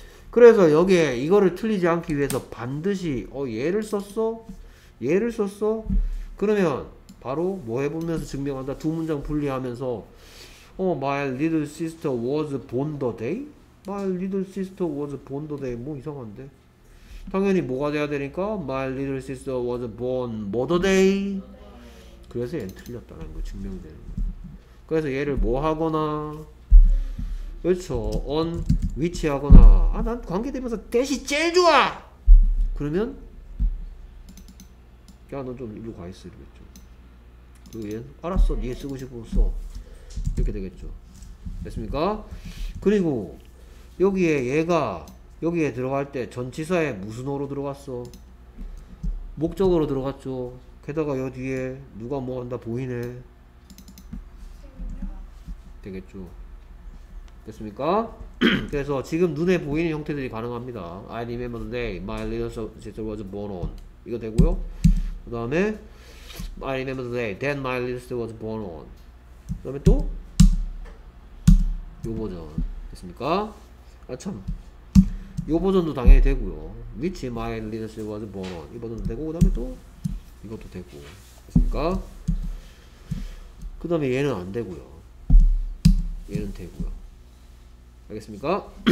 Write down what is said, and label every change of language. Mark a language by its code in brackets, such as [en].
[ko] 그래서 여기에 이거를 틀리지 않기 위해서 반드시 얘를 썼어? 얘를 썼어? 그러면 바로 뭐 해보면서 증명한다? 두 문장 분리하면서 [en] my little sister was born the day? My little sister was born the day. [ko] 뭐 이상한데? 당연히 뭐가 돼야 되니까? [en] My little sister was born what a day? [ko] 그래서 얘는 틀렸다는 거 증명이 되는 거야. 그래서 얘를 뭐 하거나 그렇죠. on which 하거나 아 난 관계되면서 대시 제일 좋아! 그러면 야, 너 좀 이리로 가 있어 이러겠죠. 그리고 얘는 알았어, 네. 니가 쓰고 싶으면 써 이렇게 되겠죠. 됐습니까? 그리고 여기에 얘가 여기에 들어갈 때 전치사에 무슨 어로 들어갔어? 목적어로 들어갔죠. 게다가 여기 뒤에 누가 뭐 한다 보이네. 되겠죠. 됐습니까? 그래서 지금 눈에 보이는 형태들이 가능합니다. [en] I remember the day my little sister was born on. [ko] 이거 되고요. 그 다음에 [en] I remember the day then my little sister was born on. [ko] 그 다음에 또 요 버전 됐습니까? 아 참 요 버전도 당연히 되고요. [en] Which my little sister was born on. [ko] 이 버전도 되고 그 다음에 또 이것도 되고 됐습니까? 그 다음에 얘는 안 되고요. 얘는 되고요. 알겠습니까?